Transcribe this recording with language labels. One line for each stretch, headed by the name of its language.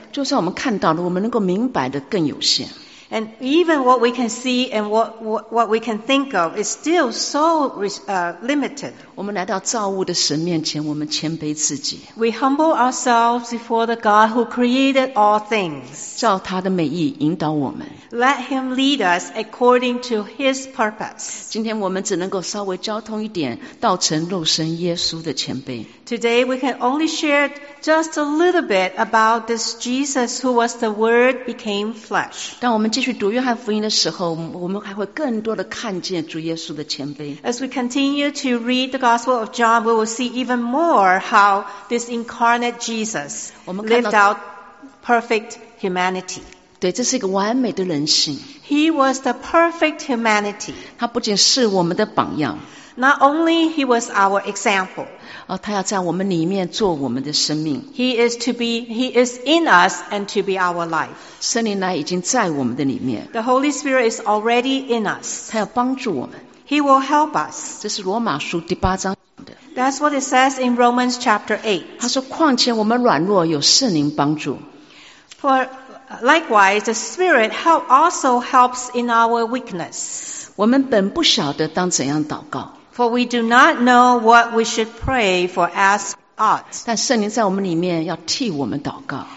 Chinese: 就算我们看到了，我们能够明白的更有限。
English: And even what we can see and what we can think of is still so limited.
Chinese: 我们来到造物的神面前，我们谦卑自己。
English: We humble ourselves before the God who created all things.
Chinese: 照他的美意引导我们。
English: Let him lead us according to his purpose.
Chinese: 今天我们只能够稍微交通一点道成肉身耶稣的谦卑。
English: Today we can only share just a little bit about this Jesus who was the Word became flesh.
Chinese: 当我们继续读约翰福音的时候，我们还会更多的看见主耶稣的谦卑。
English: As we continue to read the Gospel of John, we will see even more how this incarnate Jesus lived out perfect humanity.
Chinese: 对，这是一个完美的人性。
English: He was the perfect humanity.
Chinese: 他不仅是我们的榜样。
English: Not only he was our example.
Chinese: 他要在我们里面做我们的生命。
English: He is in us and to be our life.
Chinese: 圣灵呢已经在我们的里面。
English: The Holy Spirit is already in us.
Chinese: 他要帮助我们。
English: He will help us.
Chinese: 这是罗马书第八章讲的。
English: That's what it says in Romans chapter 8.
Chinese: 他说况且我们软弱有圣灵帮助。
English: For likewise, the Spirit also helps in our weakness.
Chinese: 我们本不晓得当怎样祷告。
English: For we do not know what we should pray for as ought.
Chinese: 但圣灵在我们里面要替我们祷告。